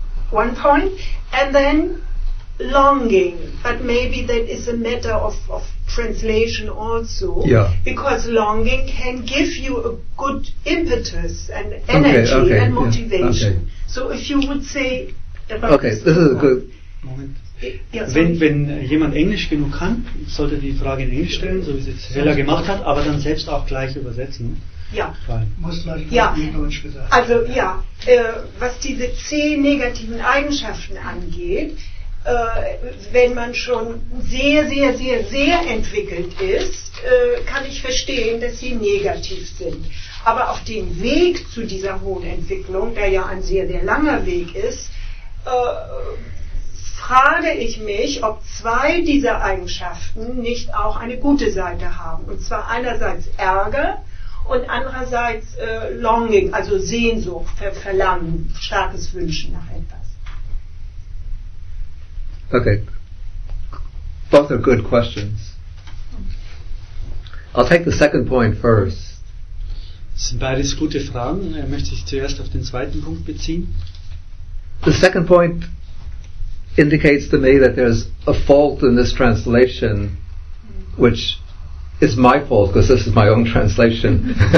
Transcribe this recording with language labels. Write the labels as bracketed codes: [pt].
[en] One point, and then longing, but maybe that is a matter of translation also, because longing can give you a good impetus and energy and motivation. Yeah. Okay. So if you would say about this is a good moment. [de] Wenn jemand Englisch genug kann, sollte die Frage in Englisch stellen, so wie sie es Hella gemacht hat, aber dann selbst auch gleich übersetzen. Also ja, was diese 10 negativen Eigenschaften angeht, wenn man schon sehr, sehr, sehr, sehr entwickelt ist, kann ich verstehen, dass sie negativ sind. Aber auf dem Weg zu dieser hohen Entwicklung, der ja ein sehr, sehr langer Weg ist, frage ich mich, ob 2 dieser Eigenschaften nicht auch eine gute Seite haben. Und zwar einerseits Ärger, und andererseits Longing, also Sehnsucht, Verlangen, starkes Wünschen nach etwas. [en] Okay. Both are good questions. I'll take the second point first. [de] Das sind beides gute Fragen. Er möchte sich zuerst auf den zweiten Punkt beziehen. [en] The second point indicates to me that there's a fault in this translation, which... It's my fault, because this is my own translation.